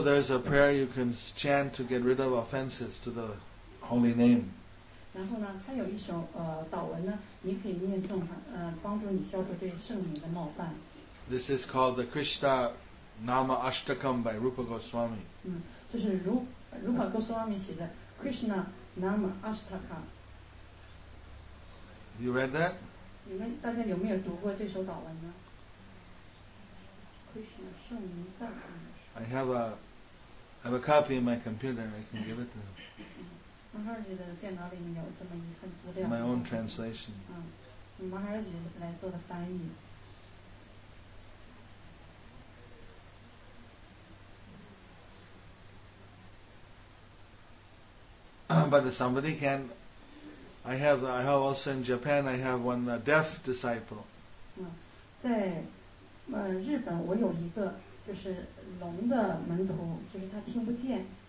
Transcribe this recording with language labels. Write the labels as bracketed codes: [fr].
[en] there's a prayer you can chant to get rid of offenses to the holy name. [zh] 然后呢，它有一首祷文呢，你可以念诵，帮助你消除对圣名的冒犯。 [en] This is called the Krishna Nama Ashtakam by Rupa Goswami. [zh] 就是如果Goswami写的 Krishna Nama Ashtaka. [en] You read that? [zh] 你们大家有没有读过这首祷文呢? [en] Krishna [zh] 圣名赞. [en] I have a copy in my computer. I can give it to him. [zh] Maharaji的电脑里面有这么一份资料. [en] My own translation. [zh] Maharaji来做的翻译. [en] But if somebody can, I have also in Japan, I have one deaf disciple. [zh] 在日本我有一个就是聋的门徒，就是他听不见。